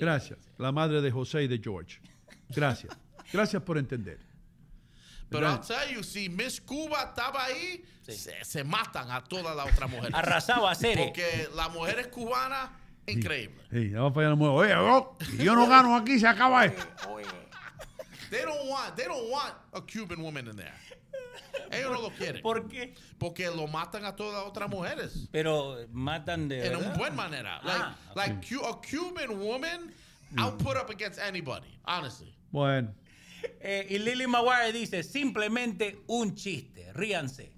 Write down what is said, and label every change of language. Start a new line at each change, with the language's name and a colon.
Spanish: Gracias. La madre de José y de George. Gracias. Gracias por entender. Pero
English: I'll tell you,
Spanish: si Miss Cuba estaba ahí, se matan a todas las otras mujeres. Arrasaba a Cere. Porque las mujeres cubanas, increíble. Sí, ya va a fallar la mujer. Oye, yo no gano aquí, se acaba esto.
English: They don't want a Cuban woman in there.
Spanish: Ellos no lo quieren. ¿Por qué? Porque lo matan a todas las otras mujeres. Pero matan de verdad. En una buena manera.
English: Like a Cuban woman, I'll put up against anybody, honestly.
Spanish: Bueno. Y Lily Maguire dice, simplemente un chiste, ríanse.